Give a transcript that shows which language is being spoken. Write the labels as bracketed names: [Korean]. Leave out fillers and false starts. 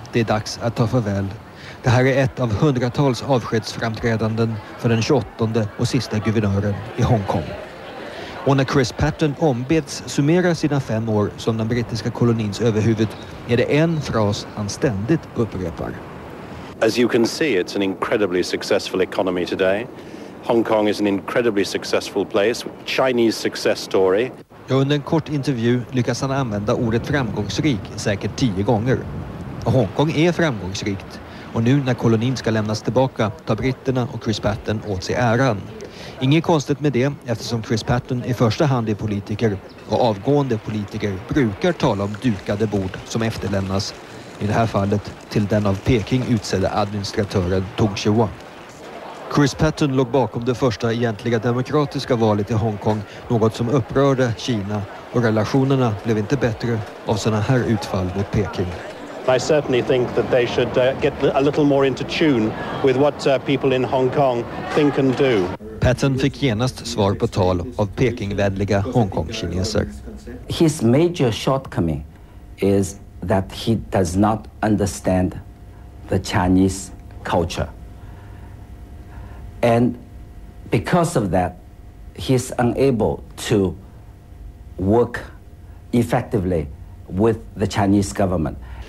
[Swedish] Det är dags att ta farväl. Det här är ett av hundratals avskedsframträdanden för den 28:e och sista guvernören i Hongkong. Och när Chris Patten ombeds summera sina 5 år som den brittiska kolonins överhuvud är det en fras han ständigt upprepar. [English] As you can see, it's an incredibly successful economy today. Hong Kong is an incredibly successful place. Chinese success story. [Swedish] Ja, under en kort intervju lyckas han använda ordet framgångsrik säkert 10 gånger. Och Hongkong är framgångsrikt. Och nu när kolonin ska lämnas tillbaka tar britterna och Chris Patten åt sig äran. Inget konstigt med det eftersom Chris Patten i första hand är politiker. Och avgående politiker brukar tala om dukade bord som efterlämnas. I det här fallet till den av Peking utsedda administratören Tung Chiu-wan. Chris Patten låg bakom det första egentliga demokratiska valet i Hongkong, något som upprörde Kina, och relationerna blev inte bättre av såna här utfall mot Peking. [English] I certainly think that they should get a little more into tune with what people in Hong Kong think and do. [Swedish] Patten fick genast svar på tal av Pekingvänliga Hongkong-kineser. [English] His major shortcoming is that he does not understand the Chinese culture. And because of that, he's unable to work effectively with the Chinese government.